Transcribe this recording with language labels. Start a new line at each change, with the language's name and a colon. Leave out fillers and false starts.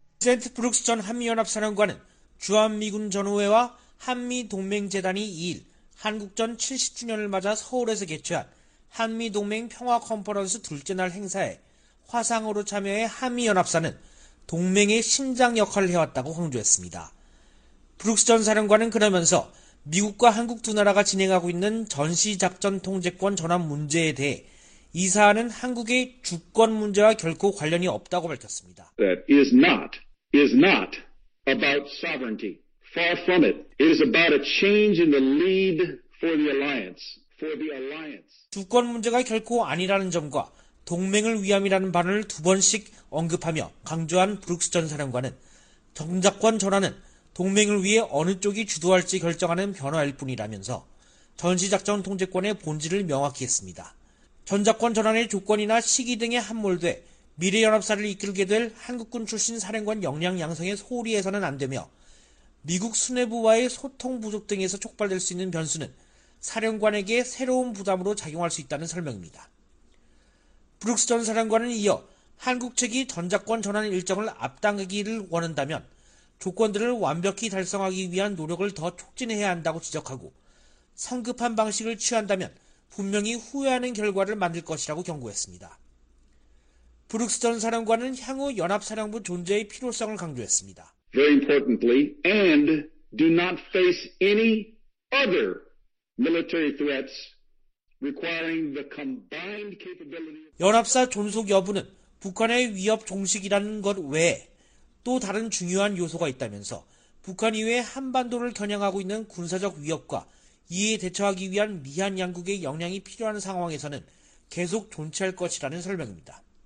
Korean: 센트 브룩스 전 한미연합사령관은 주한미군 전우회와 한미동맹재단이 2일 한국전 70주년을 맞아 서울에서 개최한 한미동맹 평화컨퍼런스 둘째 날 행사에 화상으로 참여해 한미연합사는 동맹의 심장 역할을 해왔다고 강조했습니다. 브룩스 전 사령관은 그러면서 미국과 한국 두 나라가 진행하고 있는 전시작전통제권 전환 문제에 대해 이 사안은 한국의 주권 문제와 결코 관련이 없다고 밝혔습니다.
English: That is not about sovereignty. Far from it. It is about a change in the lead for the alliance.
Korean: 주권 문제가 결코 아니라는 점과 동맹을 위함이라는 반응을 두 번씩 언급하며 강조한 브룩스 전 사령관은 정작권 전환은 동맹을 위해 어느 쪽이 주도할지 결정하는 변화일 뿐이라면서 전시작전 통제권의 본질을 명확히 했습니다. 전작권 전환의 조건이나 시기 등에 함몰돼 미래 연합사를 이끌게 될 한국군 출신 사령관 역량 양성에 소홀히 해서는 안 되며 미국 수뇌부와의 소통 부족 등에서 촉발될 수 있는 변수는 사령관에게 새로운 부담으로 작용할 수 있다는 설명입니다. 브룩스 전 사령관은 이어 한국 측이 전작권 전환 일정을 앞당기기를 원한다면 조건들을 완벽히 달성하기 위한 노력을 더 촉진해야 한다고 지적하고 성급한 방식을 취한다면 분명히 후회하는 결과를 만들 것이라고 경고했습니다. 브룩스 전 사령관은 향후 연합사령부 존재의 필요성을 강조했습니다.
English: Very importantly, and do not face any other military threats requiring the combined capability.
Korean: 연합사 존속 여부는 북한의 위협 종식이라는 것 외에 또 다른 중요한 요소가 있다면서 북한 이외 한반도를 겨냥하고 있는 군사적 위협과 이에 대처하기 위한 미한 양국의 역량이 필요한 상황에서는 계속 존재할 것이라는 설명입니다.